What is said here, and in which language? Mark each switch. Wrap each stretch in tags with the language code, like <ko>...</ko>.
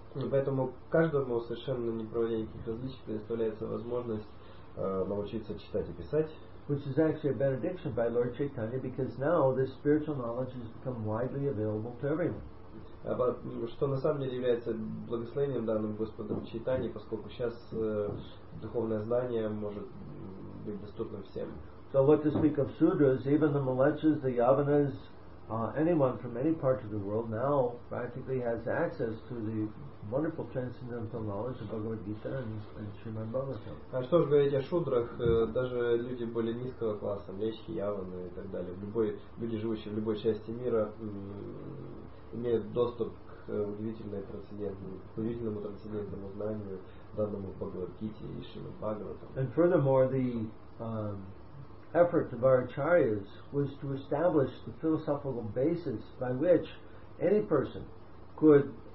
<ru>Поэтому каждому совершенно не проводя никаких различий предоставляется возможность научиться читать и писать.</ru> <en>Which is actually a benediction by Lord Chaitanya, because now this spiritual knowledge has become widely available to everyone.</en> <ru>Что на самом деле является благословением данным Господом Чайтани, поскольку сейчас духовное знание может быть доступным всем.</ru> <en>So what to speak of sudras, even the malechas, the yavanas, anyone from any part of the world now practically has access to the wonderful transcendental knowledge of Bhagavad Gita and Srimad Bhagavatam.</en> <ru>А что же говорить о шудрах, даже люди более низкого класса, млечки, яваны и так далее, люди, живущие в любой части мира, имеют доступ к удивительному трансцендентному знанию, данному в Бхагавад Гите и Шримад Бхагаватам.</ru> <en>And furthermore, the effort of our acharyas was to establish the philosophical basis by which any person could</en>